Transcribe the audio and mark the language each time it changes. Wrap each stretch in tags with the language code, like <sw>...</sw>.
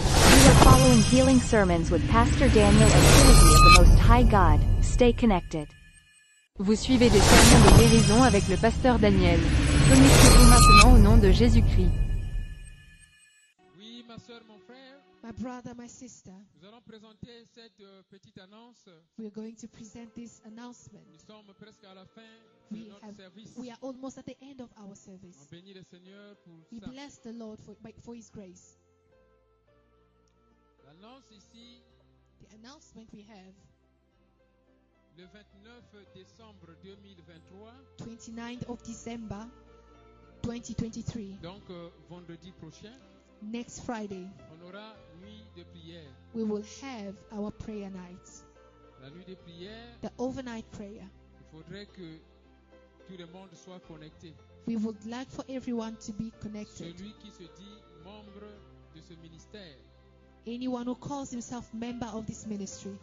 <en>We are following healing sermons with Pastor Daniel and Trinity of the Most High God. Stay connected.</en> <fr>Vous suivez des sermons de guérison avec le Pasteur Daniel. Connectez-vous maintenant au nom de Jésus-Christ. Oui, ma soeur, mon frère.</fr> <en>My brother, my sister.</en> <fr>Nous allons présenter cette petite annonce.</fr> <en>We are going to present this announcement.</en> <fr>Nous sommes presque à la fin.</fr> <en>We are almost at the end of our service.</en> <fr>On bénit le Seigneur pour</fr> <en>He blessed the Lord for His grace.</en> <fr>L'annonce ici,</fr> <en>the announcement we have,</en> <fr>le 29 décembre 2023,</fr> <en>29th of December 2023,</en> <fr>donc vendredi prochain,</fr> <en>next Friday,</en> <fr>on aura nuit de prière.</fr> <en>We will have our prayer night.</en> <fr>La nuit de prière,</fr> <en>the overnight prayer.</en> <fr>Il faudrait que tout le monde soit connecté.</fr> <en>We would like for everyone to be connected.</en> <fr>Celui qui se dit membre de ce ministère.</fr> <en>Anyone who calls himself member of this ministry.</en>